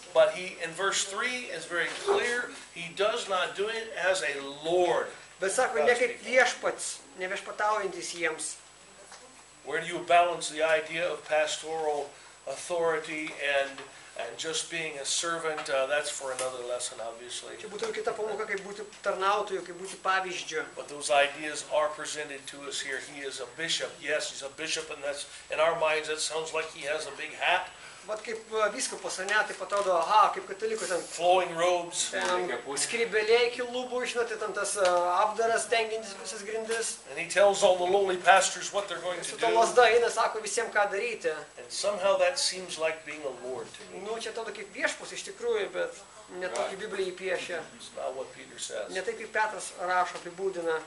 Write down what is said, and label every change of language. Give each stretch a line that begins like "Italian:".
English: But he, in verse 3, is very clear, he does not do it as a lord.
Lithuanian: Bet sako, ne kaip viešpats, ne viešpataujantis jiems.
English: Where do you balance the idea of pastoral authority and just being a servant? That's for another lesson, obviously.
Lithuanian: Čia būtų kita pamoka, kaip būti tarnautoju, kaip būti pavyzdžiu.
English: But those ideas are presented to us here. He is a bishop. Yes, he's a bishop, and that's, in our minds, that sounds like he has a big hat.
Lithuanian: Vat kaip vyskupas, ne, taip atrodo, aha, kaip katalikų ten...
English: Flowing robes.
Lithuanian: Skrybėlė iki lūbų, žinote, ten tas apdaras dengintis visas grindis.
English: And he tells all the lowly pastors what they're going to do.
Lithuanian: Su to lasda eina, sako visiems, ką daryti.
English: And somehow that seems like being a lord to me.
Lithuanian: Nu, čia atrodo kaip viešpus iš tikrųjų, bet ne tokį Bibliją piešia.
English: It's not what Peter says.
Lithuanian: Ne taip, kaip Petras rašo, apibūdina.